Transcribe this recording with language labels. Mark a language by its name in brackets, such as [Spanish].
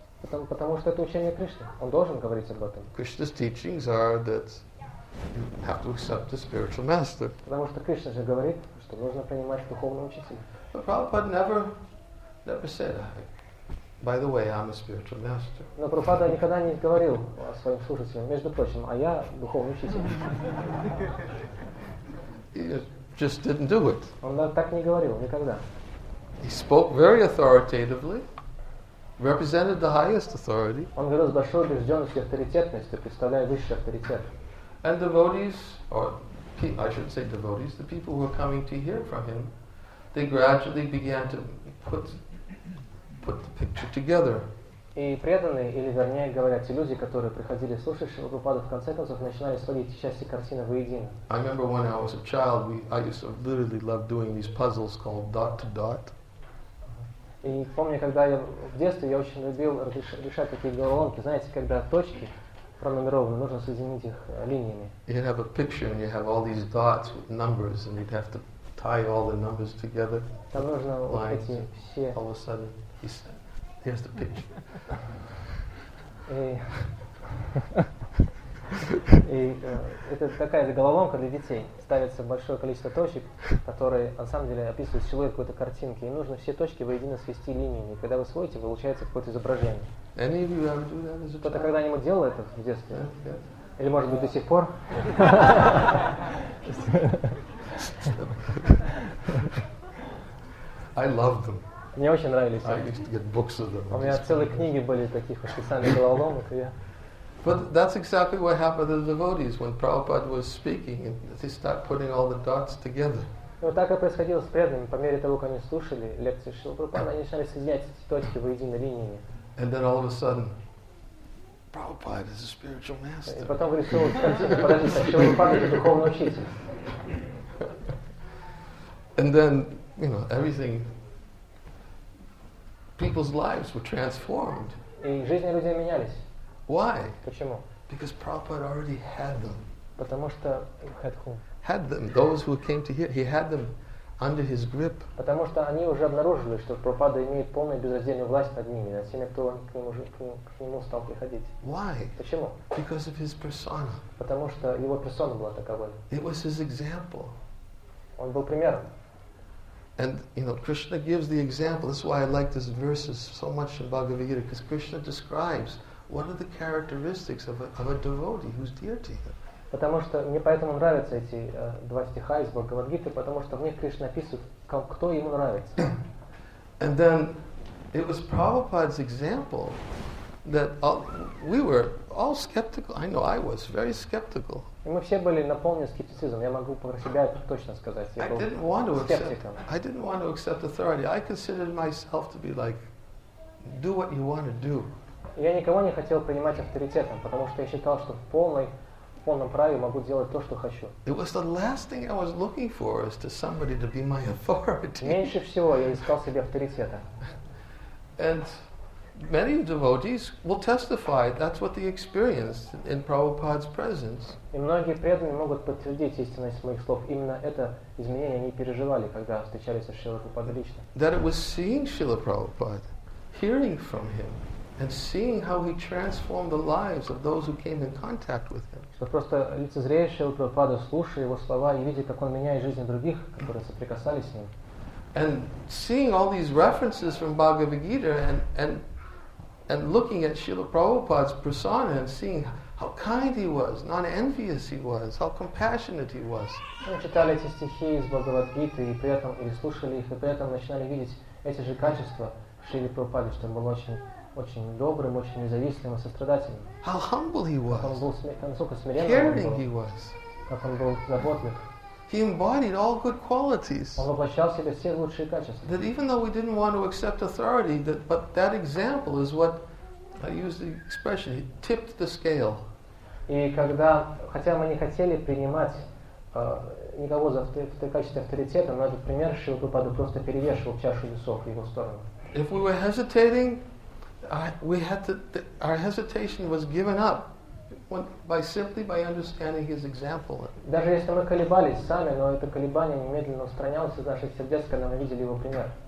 [Russian] Потому что это учение Кришны. Он должен говорить об этом. [English] Krishna's teachings are that you have to accept the spiritual master. [Russian] Потому что Кришна же говорит, что нужно принимать духовного учителя. [English] But Prabhupada never said, by the way, I'm a spiritual master. [Russian] Но Прабхупада никогда не говорил о своем слушателе, между прочим, а я духовный учитель. [English] He just didn't do it. [Russian] Он так не говорил никогда. [English] He spoke very authoritatively. Represented the highest authority. [Russian] Он говорил с большой убежденностью и авторитетностью, представляя высший авторитет. [English] And devotees, or I should say devotees, the people who were coming to hear from him, they gradually began to put the picture together. [Russian] И преданные, или вернее говоря, те люди, которые приходили слушать Шилупада, в конце концов начинали сводить части картины воедино. [English] I remember when I was a child, I used to literally love doing these puzzles called dot to dot. [Russian] И помню, когда я в детстве, я очень любил решать такие головоломки. Знаете, когда точки пронумерованы, нужно соединить их линиями. [English] You'd have a picture and you have all these dots with numbers and you'd have to tie all the numbers together. [Russian] Там нужно вот эти все. [English] All of a sudden, here's the picture. [Russian] И это такая головоломка для детей. Ставится большое количество точек, которые на самом деле описывают силуэт какой-то картинки. И нужно все точки воедино свести линиями. И когда вы сводите, получается какое-то изображение. Кто-то когда-нибудь делал это в детстве? [English] Yeah. [Russian] Или может быть до сих пор? [English] I love them. [Russian] Мне очень нравились они. [English] I used to get books of them. [Russian] У меня целые книги были таких специальных головоломок. [English] But that's exactly what happened to the devotees when Prabhupada was speaking and they start putting all the dots together. [Russian] Вот так и происходило с преданными. По мере того, как они слушали лекции Шрилы Прабхупады, они начинали соединять эти точки воедино линиями. [English] And then all of a sudden, Prabhupada is a spiritual master. [Russian] И потом говорит, что в конце, подождите, Шрилы Прабхупада – это духовный учитель. [English] And then, you know, everything, people's lives were transformed. [Russian] И жизни людей менялись. [English] Why? [Russian] Почему? [English] Because Prabhupada already had them. [Russian] Потому что [English] had whom? Had them. Those who came to hear, he had them under his grip. [Russian] Потому что они уже обнаружили, что Прабхупада имеет полную безраздельную власть над ними, над теми, кто к нему стал приходить. [English] Why? [Russian] Почему? [English] Because of his persona. [Russian] Потому что его персона была таковой. [English] It was his example. [Russian] Он был примером. [English] And you know, Krishna gives the example. That's why I like these verses so much in Bhagavad Gita, because Krishna describes. What are the characteristics of a devotee who's dear to him? [Russian] Потому что мне поэтому нравятся эти два стиха из Бхагавад-гиты, потому что в них Кришна описывает, кто ему нравится. [English] And then it was Prabhupada's example that we were all skeptical. I know I was very skeptical. [Russian] И мы все были наполнены скептицизмом. Я могу про себя точно сказать. Я был скептиком. [English] I didn't want to accept authority. I considered myself to be like, do what you want to do. [Russian] Я никого не хотел принимать авторитетом, потому что я считал, что в полном праве могу делать то, что хочу. [English] It was the last thing I was looking for is to somebody to be my authority. [Russian] Меньше всего я искал себе авторитета. [English] And many devotees will testify that's what they experienced in Prabhupada's presence. [Russian] И многие преданные могут подтвердить истинность моих слов. Именно это изменение они переживали, когда встречались с Шрилой Прабхупадой лично. [English] That it was seeing Srila Prabhupada, hearing from him, and seeing how he transformed the lives of those who came in contact with him. [Russian] Что просто лицезрея Шрилу Прабхупаду, слушая его слова и видя, как он меняет жизни других, которые соприкасались с ним. [English] And seeing all these references from Bhagavad Gita and looking at Srila Prabhupada's persona and seeing how kind he was, non-envious he was, how compassionate he was. [Russian] Мы читали эти стихи из Бхагавад Гиты и при этом или слушали их и при этом начинали видеть эти же качества Шрилы Прабхупады, что он был очень добрым, очень независимым, сострадательным. [English] How humble he was. [Russian] Насколько смиренным. [English] Caring he was. [Russian] Как он был заботлив. [English] He embodied all good qualities. [Russian] Он воплощал в себе все лучшие качества. [English] That even though we didn't want to accept authority, but that example is what I use the expression. He tipped the scale. [Russian] И когда, хотя мы не хотели принимать никого за в качестве авторитета, но этот пример Шрилы Прабхупады просто перевешивал чашу весов в его сторону. [English] If we were hesitating, our hesitation was given up. By understanding his example. [Russian] Даже если мы колебались сами, но это колебание немедленно устранялось из наших сердец, когда мы видели его пример.